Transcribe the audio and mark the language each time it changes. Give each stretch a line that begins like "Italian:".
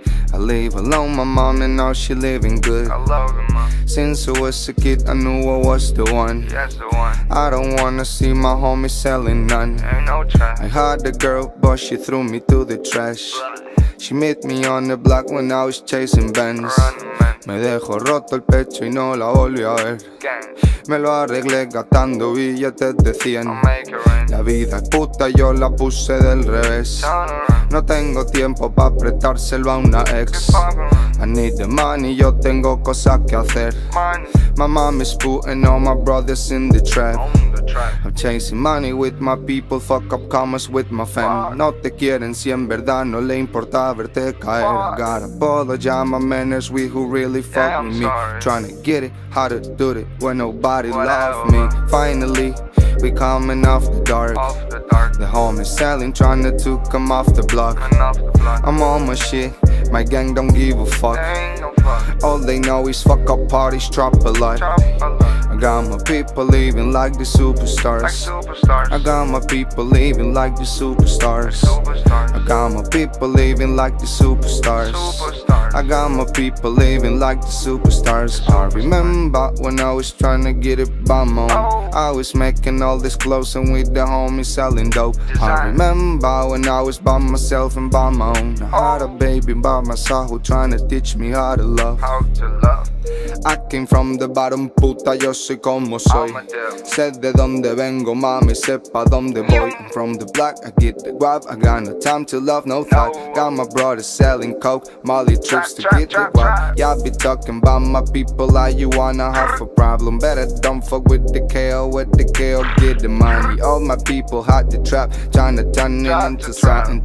English: I live alone, my mom, and now she living good. I love her, mom. Since I was a kid, I knew I was the one. Yes, the one. I don't wanna see my homie selling none. Ain't no trash. I had a girl, but she threw me to the trash. She met me on the block when I was chasing Benz.
Spanish: Me dejó roto el pecho y no la volví a ver. Me lo arreglé gastando billetes de 100. La vida es puta, yo la puse del revés. No tengo tiempo pa' prestárselo a una ex.
English: I need the money,
Spanish: yo tengo cosas que hacer.
English: My mom is putting all my brothers in the trap. I'm chasing money with my people, fuck up commas with my fam.
Spanish: No te quieren si en verdad no le importa verte caer.
English: I got a bottle of jam, my man is we who really fuck yeah, with I'm me. Trying to get it, how to do it when nobody love me. Finally, we coming off the dark. The homie selling, trying to come off the block. I'm on my shit, my gang don't give a fuck. All they know is fuck up parties, drop a lot. I got my people living like the superstars. I got my people living like the superstars. I got my people living like the superstars. I got my people living like the superstars. I remember when I was trying to get it by my own. I was making all this clothes and with the homies selling dope. I remember when I was by myself and by my own. I had a baby by my side who trying to teach me how to love. I came from the bottom, puta,
Spanish: yo soy como soy. Sé de donde vengo, mami, sé pa' donde voy.
English: I'm from the block, I get the guap. I got no time to love, no thought. Got my brother selling coke, Molly trips to get the guap. Y'all be talking about my people like you wanna have a problem. Better don't fuck with the KO, with the KO, get the money. All my people hot the trap, tryna turn it into something.